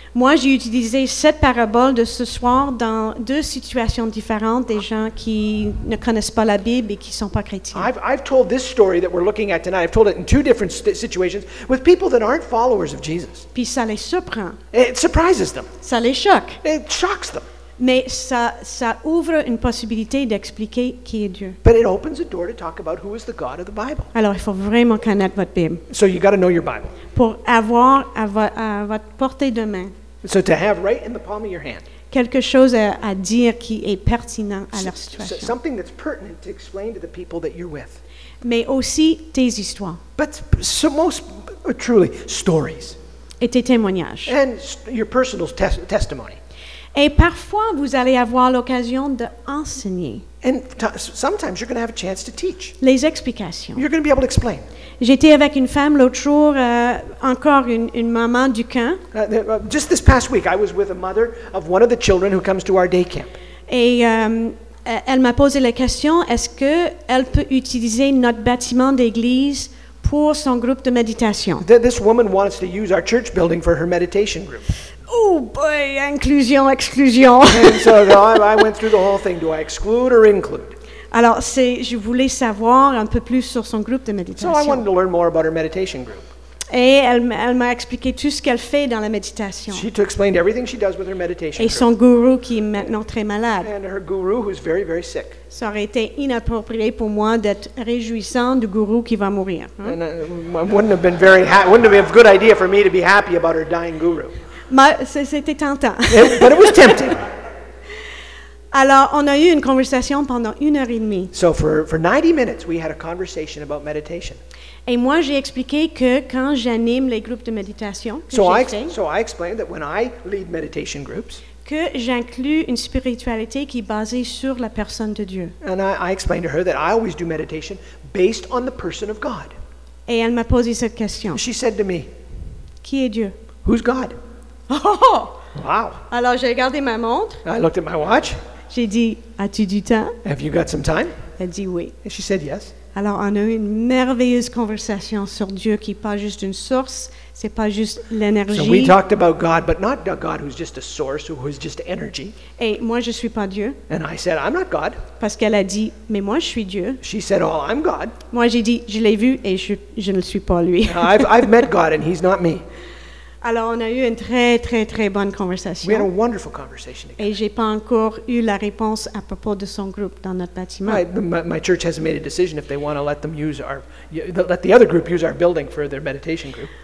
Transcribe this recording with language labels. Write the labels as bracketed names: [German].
[French] Moi, j'ai utilisé cette parabole de ce soir dans deux situations différentes, des gens qui ne connaissent pas la Bible et qui ne sont pas chrétiens. [English] I've told this story that we're looking at tonight. I've told it in two different situations with people that aren't followers of Jesus. [French] Puis ça les surprend. [English] It surprises them. [French] Ça les choque. [English] It shocks them. [French] Mais ça ouvre une possibilité d'expliquer qui est Dieu. [English] But it opens a door to talk about who is the God of the Bible. [French] Alors, il faut vraiment connaître votre Bible. [English] So you got to know your Bible. [French] Pour avoir à votre portée de main. [English] So to have right in the palm of your hand. [French] Quelque chose à dire qui est pertinent à leur situation. [English] Something that's pertinent to explain to the people that you're with. [French] Mais aussi tes histoires. [English] But so most truly stories. [French] Et tes témoignages. [English] And your personal testimony. [French] Et parfois, vous allez avoir l'occasion d'enseigner. [English] And sometimes you're going to have a chance to teach. [French] Les explications. [English] You're going to be able to explain. [French] J'étais avec une femme l'autre jour, encore une maman du camp. [English] Just this past week, I was with a mother of one of the children who comes to our day camp. [French] Et elle m'a posé la question, est-ce qu'elle peut utiliser notre bâtiment d'église pour son groupe de méditation? [English] This woman wants to use our church building for her meditation group. Oh boy, inclusion, exclusion. And so I went through the whole thing. Do I exclude or include? [French] Alors, je voulais savoir un peu plus sur son groupe de méditation. [English] So I wanted to learn more about her meditation group. [French] Et elle m'a expliqué tout ce qu'elle fait dans la méditation. [English] She explained everything she does with her meditation. [French] Et son gourou qui est maintenant très malade. [English] And her guru who's very, very sick. [French] Ça aurait été inapproprié pour moi d'être réjouissant du gourou qui va mourir. Hein? [English] And wouldn't have been a good idea for me to be happy about her dying guru. [French] Mais c'était tentant. [English] But it was tempting. [French] Alors, on a eu une conversation pendant une heure et demie. [English] So for 90 minutes, we had a conversation about meditation. [French] Et moi, j'ai expliqué que quand j'anime les groupes de méditation que [English] I explained that when I lead meditation groups, [French] que j'inclus une spiritualité qui est basée sur la personne de Dieu. [English] And I explained to her that I always do meditation based on the person of God. [French] Et elle m'a posé cette question. [English] She said to me, [French] qui est Dieu? [English] Who's God? [French] Oh! [English] Wow! [French] Alors, j'ai regardé ma montre. [English] I looked at my watch. [French] J'ai dit, as-tu du temps? [English] Have you got some time? [French] Elle dit oui. [English] And she said yes. [French] Alors, on a eu une merveilleuse conversation sur Dieu qui n'est pas juste une source, ce n'est pas juste l'énergie. [English] So we talked about God, but not a God who's just a source, who's just energy. [French] Et moi, je ne suis pas Dieu. [English] And I said, I'm not God. [French] Parce qu'elle a dit, mais moi, je suis Dieu. [English] She said, oh, I'm God. [French] Moi, j'ai dit, je l'ai vu et je ne le suis pas lui. [English] I've met God and he's not me. [French] Alors, on a eu une très, très, très bonne conversation. [English] We had a wonderful conversation together. [French] Et je n'ai pas encore eu la réponse à propos de son groupe dans notre bâtiment. [English] My church hasn't made a decision if they want to let the other group use our building for their meditation group.